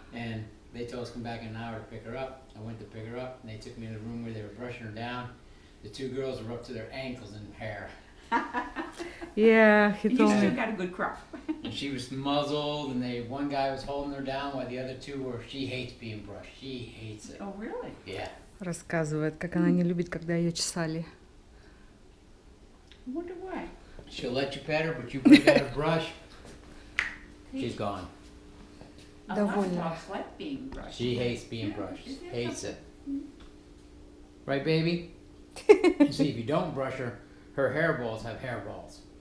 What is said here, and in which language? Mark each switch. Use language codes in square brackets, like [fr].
[en] And they told us to come back in an hour to pick her up. I went to pick her up, and they took me to the room where they were brushing her down. The two girls were up to their ankles in hair. Yeah, he told me. You still got a good crop. And she was muzzled, and one guy was holding her down while the other two were. She hates being brushed. She hates it. Oh, really? Yeah. [ru] Рассказывает, как она не любит, когда ее чесали. [en] I wonder why. She'll let you pet her, but you bring out a brush. She's gone. [ru] Довольно. [en] Dogs like being brushed. She hates being brushed. Hates it. Right, baby? You see, if you don't brush her. Her hairballs have hairballs.